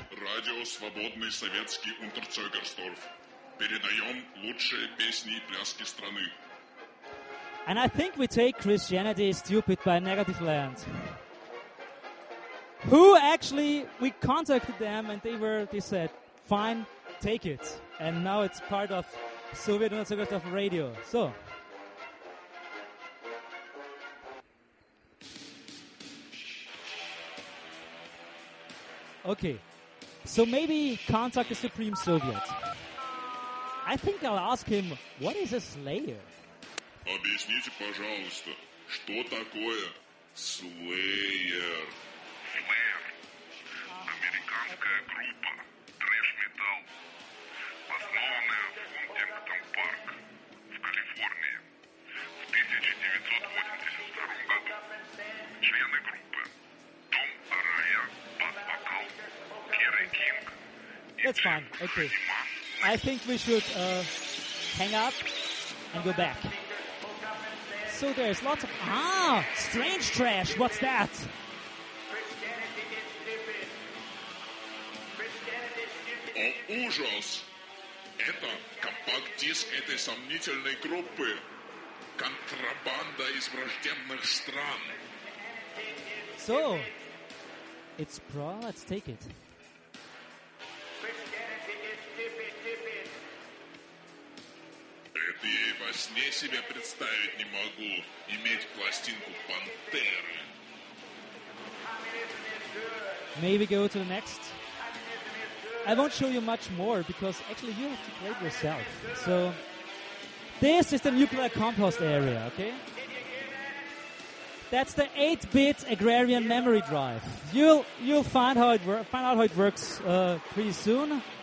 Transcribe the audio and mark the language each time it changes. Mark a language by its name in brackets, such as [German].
[Russian] Радио Свободный Советский Унтерцёгерсдорф. Передаем лучшие песни и пляски страны. [English] And I think we take Christianity is Stupid by Negative Land. Who actually, we contacted them and they said, fine, take it. And now it's part of Soviet Unitsukhov Radio. So. Okay. So maybe contact the Supreme Soviet. I think I'll ask him, what is a Slayer? [Russian] Объясните, пожалуйста, что такое Slayer? Slayer. Американская группа Trash Metal, основанная в Huntington Park в Калифорнии в 1982 году. Члены группы Том Арая, бас-вокал, Керри Кинг. [English] That's fine, okay. I think we should hang up and go back. So there's lots of... strange trash. What's that? [Russian] О, ужас! Это компакт-диск этой сомнительной группы. Контрабанда из враждебных стран. [English] So, it's pro. Let's take it. [Russian] Это я и во сне себе представить не могу, иметь пластинку Пантеры. [English] May we go to the next? I won't show you much more, because actually you have to play it yourself. So, this is the nuclear compost area, okay? That's the 8-bit agrarian memory drive. You'll find out how it works pretty soon.